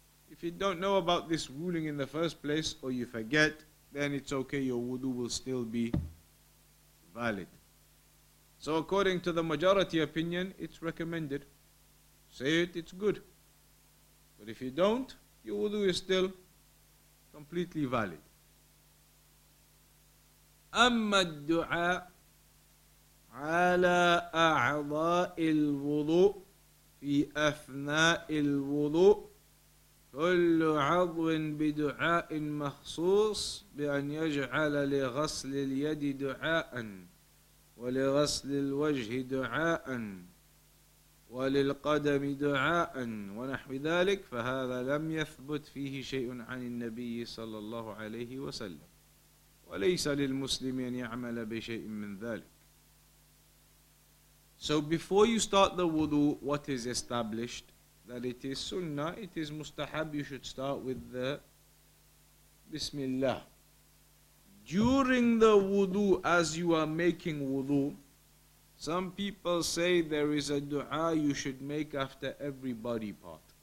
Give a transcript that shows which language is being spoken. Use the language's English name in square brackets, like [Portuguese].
[English] If you don't know about this ruling in the first place or you forget, then it's okay, your wudu will still be valid. So according to the majority opinion, it's recommended. Say it, it's good. But if you don't, your wudu is still completely valid. [Arabic] أَمَّا الدُّعَى عَلَىٰ أَعْضَاءِ الْوُضُوء فِي أَثْنَاءِ الْوُضُوء كُلُّ عَضْوٍ بِدُعَاءٍ مَخْصُوصٍ بِأَنْ يَجْعَلَ لِغَسْلِ الْيَدِ دُعَاءً ولغسل الوجه دعاء وللقدم دعاء ونحو ذلك فهذا لم يثبت فيه شيء عن النبي صلى الله عليه وسلم وليس للمسلم أن يعمل بشيء من ذلك. [English] So before you start the wudu, what is established? That it is sunnah, it is mustahab, you should start with the bismillah. During the wudu, as you are making wudu, some people say there is a dua you should make after every body part.